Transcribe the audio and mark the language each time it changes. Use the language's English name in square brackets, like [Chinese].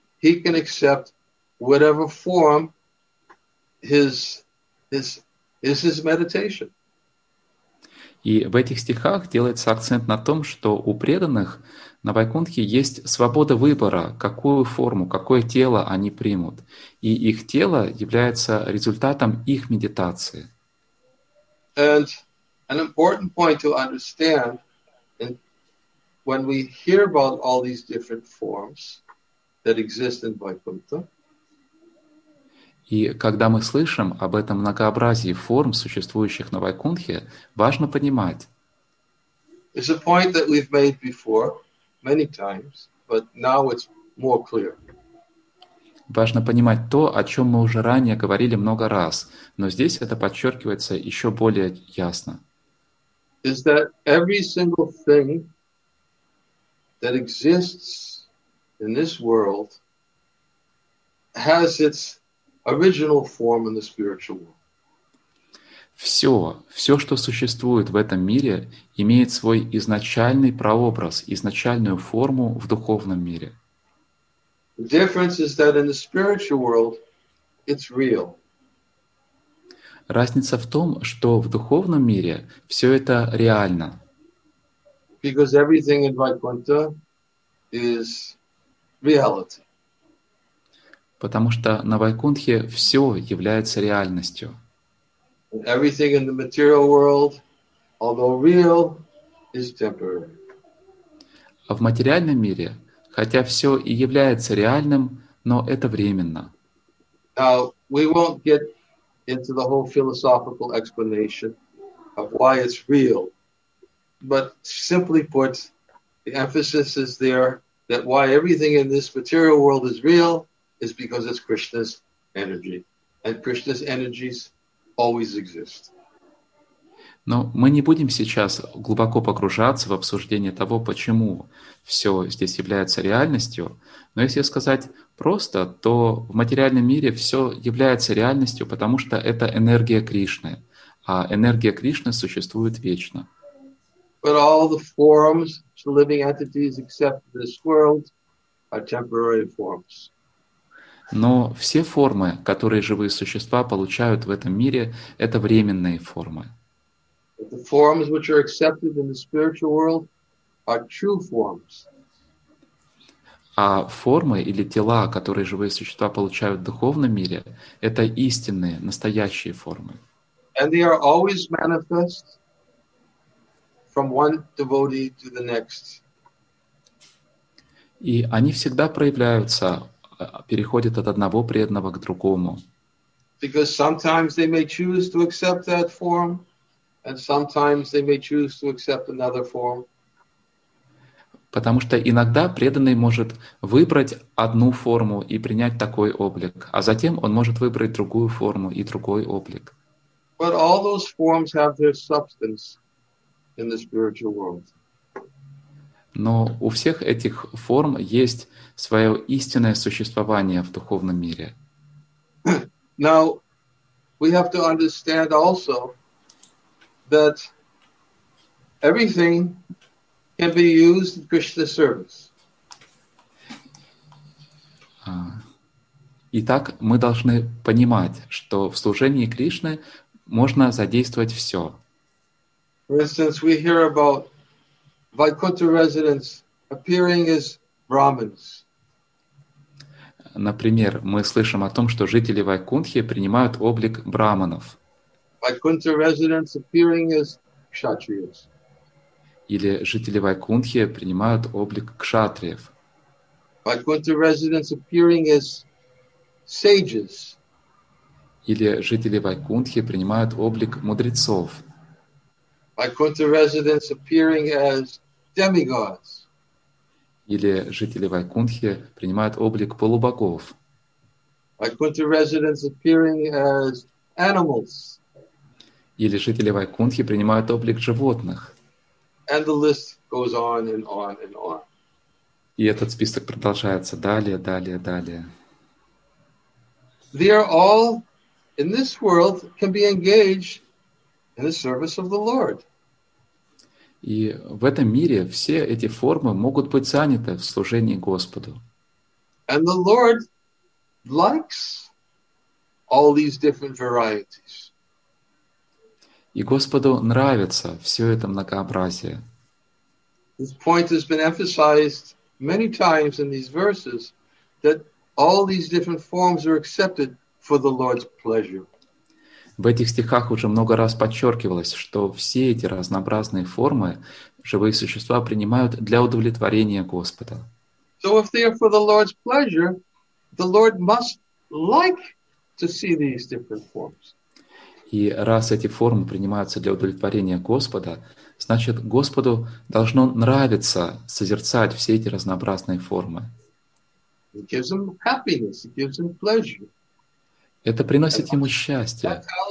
[English] He can accept whatever form This is meditation. [Russian] И в этих стихах делается акцент на том, что у преданных на Вайкунтхе есть свобода выбора, какую форму, какое тело они примут. И их тело является результатом их медитации. [English] And an important point to understand, and when we hear about all these different forms that exist in Vaikuntha, [Russian] и когда мы слышим об этом многообразии форм, существующих на Вайкунтхе, важно понимать. Важно понимать то, о чем мы уже ранее говорили много раз, но здесь это подчеркивается еще более ясно. [English] Is that every single thing that exists in this world has its original form in the spiritual world. [Russian] Все, все, что существует в этом мире, имеет свой изначальный прообраз, изначальную форму в духовном мире. [English] The difference is that in the spiritual world, it's real. [Russian] Разница в том, что в духовном мире все это реально. [English] Because everything in Vaikuntha is reality. [Russian] Потому что на Вайкунтхе все является реальностью. [English] Everything in the material world, although real, is temporary. [Russian] А в материальном мире, хотя все и является реальным, но это временно. [English] Now, we won't get into the whole philosophical explanation of why it's real. But simply put, the emphasis is there that why everything in this material world is real is because it's Krishna's energy. And Krishna's energies always exist. [Russian] Но мы не будем сейчас глубоко погружаться в обсуждение того, почему все здесь является реальностью. Но если сказать просто, то в материальном мире все является реальностью, потому что это энергия Кришны. А энергия Кришны существует вечно. [English] But all the forms to living entities except this world are temporary forms. [Russian] Но все формы, которые живые существа получают в этом мире, это временные формы. [English] The forms which are accepted in the spiritual world are true forms. [Russian] А формы или тела, которые живые существа получают в духовном мире, это истинные, настоящие формы. [English] And they are always manifest from one devotee to the next. [Russian] И они всегда проявляются, переходят от одного преданного к другому. [English] Because sometimes they may choose to accept that form. And sometimes they may choose to accept another form. [Russian] Потому что иногда преданный может выбрать одну форму и принять такой облик, а затем он может выбрать другую форму и другой облик. [English] But all those forms have their substance in the spiritual world. [Russian] Но у всех этих форм есть свое истинное существование в духовном мире. [English] Now, we have to understand also that everything can be used in Krishna's service. [Russian] Итак, мы должны понимать, что в служении Кришны можно задействовать все. [English] For instance, we hear about Vaikuntha residents appearing as Brahmins. [Russian] Например, мы слышим о том, что жители Вайкунтхи принимают облик брахманов. [English] Vaikuntha residents appearing as kshatriyas. [Russian] Или жители Вайкунтхи принимают облик кшатриев. [English] Vaikuntha residents appearing as sages. [Russian] Или жители Вайкунтхи принимают облик мудрецов. [English] Vaikuntha residents appearing as demigods. [Russian] Или жители Вайкунтхи принимают облик полубогов. [English] Vaikuntha residents appearing as animals. [Russian] Или жители Вайкунтхи принимают облик животных. [English] And the list goes on and on and on. [Russian] И этот список продолжается далее, далее, далее. [English] They are all in this world can be engaged in the service of the Lord. [Russian] И в этом мире все эти формы могут быть заняты в служении Господу. [English] And the Lord likes all these different varieties. [Russian] И Господу нравится все это многообразие. [English] This point has been emphasized many times in these verses that all these different forms are accepted for the Lord's pleasure. [Russian] В этих стихах уже много раз подчеркивалось, что все эти разнообразные формы живые существа принимают для удовлетворения Господа. [English] So if they are for the Lord's pleasure, the Lord must like to see these different forms. [Russian] И раз эти формы принимаются для удовлетворения Господа, значит, Господу должно нравиться созерцать все эти разнообразные формы. [English] It gives him happiness, it gives him pleasure. [Russian] Это приносит ему счастье.